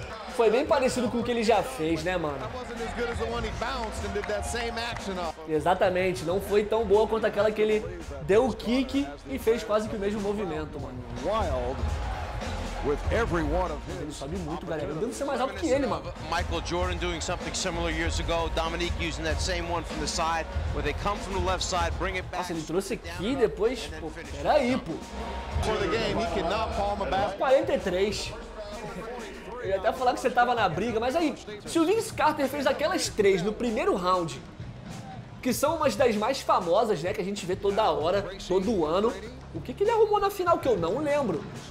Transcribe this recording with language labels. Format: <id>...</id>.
<pt>Foi bem parecido com o que ele já fez, né, mano? Exatamente, não foi tão boa quanto aquela que ele deu o kick e fez quase que o mesmo movimento, mano.</pt> <en>Wild.</en> <pt>Ele sobe muito, galera. Não deve ser mais alto que ele, mano.</pt> <en>Michael Jordan doing something similar years ago. Dominique using that same one from the side, where they come from the left side, bring it back.</en> <pt>Nossa, ele trouxe aqui depois. Pô, peraí, pô.</pt> <en>For the game, he cannot palm a basket. 43.</en> <pt>Eu ia até falar que você tava na briga, mas aí, se o Vince Carter fez aquelas três no primeiro round, que são umas das mais famosas, né, que a gente vê toda hora, todo ano, o que que ele arrumou na final que eu não lembro?</pt>